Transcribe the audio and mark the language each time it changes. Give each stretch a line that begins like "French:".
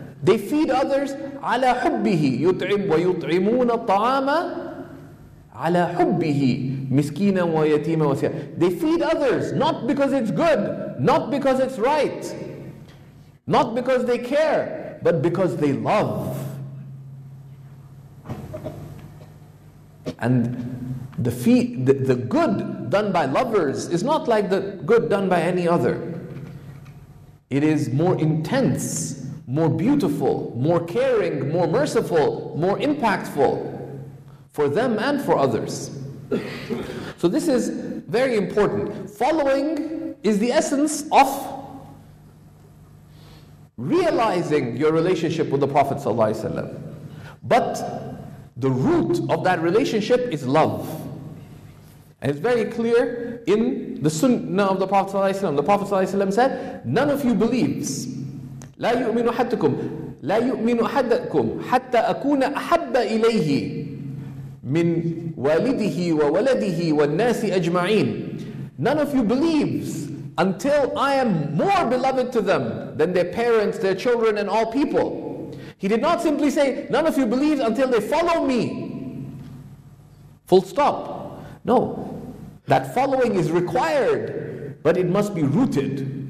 English: They feed others
Arabic: عَلَى حُبِّهِ يُطْعِمْ وَيُطْعِمُونَ الطَّعَامَ عَلَى حُبِّهِ مِسْكِينًا وَيَتِيمًا وَسِيَانًا.
English: They feed others not because it's good, not because it's right, not because they care, but because they love. And the good done by lovers is not like the good done by any other. It is more intense, more beautiful, more caring, more merciful, more impactful for them and for others. So this is very important. Following is the essence of realizing your relationship with the Prophet ﷺ. But the root of that relationship is love. And it's very clear in the Sunnah of the Prophet ﷺ. The Prophet ﷺ said, none of you believes.
Arabic: لا يؤمن أحدكم لا يؤمن أحدكم حتى أكون أحب إليه من والده وولده والناس أجمعين.
English: None of you believes until I am more beloved to them than their parents, their children, and all people. He did not simply say, none of you believe until they follow me. Full stop. No, that following is required, but it must be rooted.